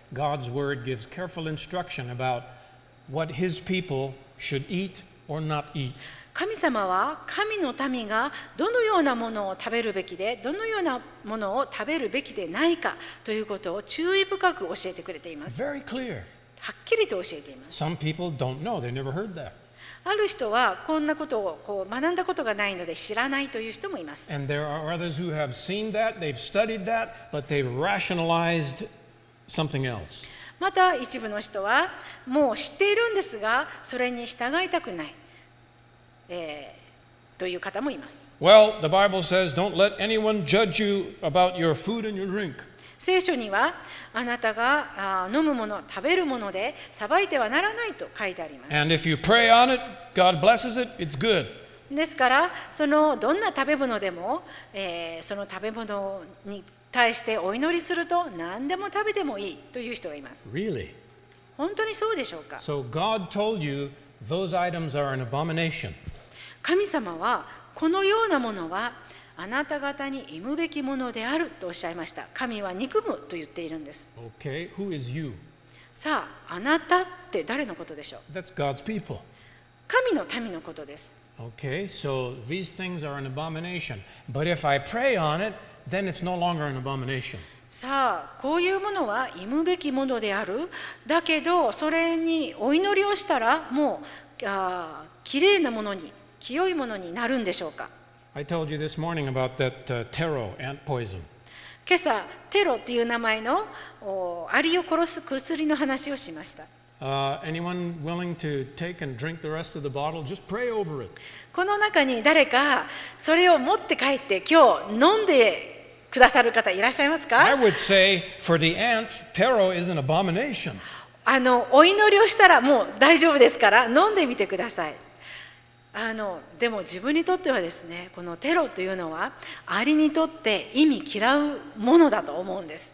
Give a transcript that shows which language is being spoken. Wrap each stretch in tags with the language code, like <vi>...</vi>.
<en>God's word gives careful instruction about what his people should eat or not eat.</en> <ja>神様は神の民がどのようなものを食べるべきで、どのようなものを食べるべきでないかということを注意深く教えてくれています。</ja> <en>Very clear.</en> <ja>はっきりと教えています。</ja> <en>Some people don't know. They never heard that.</en> <ja>ある人はこんなことをこう学んだことがないので知らないという人もいます。</ja> <en>And there are others who have seen that, they've studied that, but they've rationalized something else.</en> <ja>また一部の人はもう知っているんですが、それに従いたくない、という方もいます。</ja> <en>Well, the Bible says, don't let anyone judge you about your food and your drink.</en> <ja>聖書にはあなたが飲むもの、食べるもので裁いてはならないと書いてあります。</ja> <en>And if you pray on it, God blesses it, it's good.</en> <ja>ですから、そのどんな食べ物でも、その食べ物に対してお祈りすると何でも食べてもいいという人がいます。</ja> <en>Really?</en> <ja>本当にそうでしょうか?</ja> <en>So God told you those items are an abomination.</en> <ja>神様はこのようなものはあなた方に忌むべきものであるとおっしゃいました。神は憎むと言っているんです。</ja> <en>Okay. Who is you?</en> <ja>さあ、あなたって誰のことでしょう?</ja> <en>That's God's people.</en> <ja>神の民のことです。</ja> <en>Okay. So these things are an abomination. But if I pray on it, then it's no longer an abomination.</en> <ja>さあこういうものは忌むべきものである。だけどそれにお祈りをしたらもうきれいなものに清いものになるんでしょうか。</ja> <en>I told you this morning about that, terror, ant poison.</en> <ja>今朝テロという名前のアリを殺す薬の話をしました。</ja> <en>Anyone willing to take and drink the rest of the bottle? Just pray over it.</en> <ja>この中に誰かそれを持って帰って今日飲んでくださる方いらっしゃいますか。</ja> <en>I would say for the ants, tarot is an abomination.</en> <ja>お祈りをしたらもう大丈夫ですから飲んでみてください。でも自分にとってはですね、このテロというのはアリにとって忌み嫌うものだと思うんです。</ja>